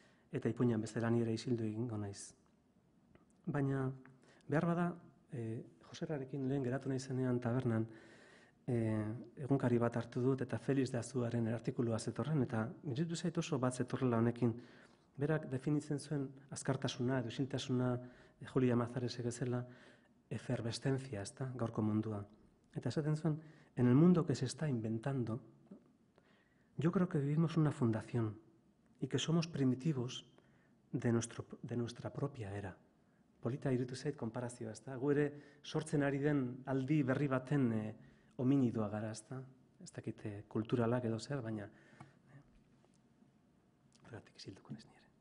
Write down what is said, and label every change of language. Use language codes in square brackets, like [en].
[eu] Eta ipuinean bezala nire isildu egingo naiz. Baina, behar bada, Joserrarekin lehen geratu nahi zenean tabernan, egunkari bat hartu dut eta Feliz de Azuaren artikulua zetorren, eta miretu zait oso bat zetorrela honekin, berak definitzen zuen azkartasuna edo isiltasuna Julia Mazaresek ezela, efervescencia, ez da, gaurko mundua. Eta esaten zuen, [es] en el mundo que se está inventando, yo creo que vivimos una fundación y que somos primitivos de nuestra propia era, [eu] Polita iritu zait konparazioa, ezta? Gu ere sortzen ari den aldi berri baten hominidoa gara, ezta? Ez dakit kulturalak edo zer, baina horregatik isilduko naiz ni ere.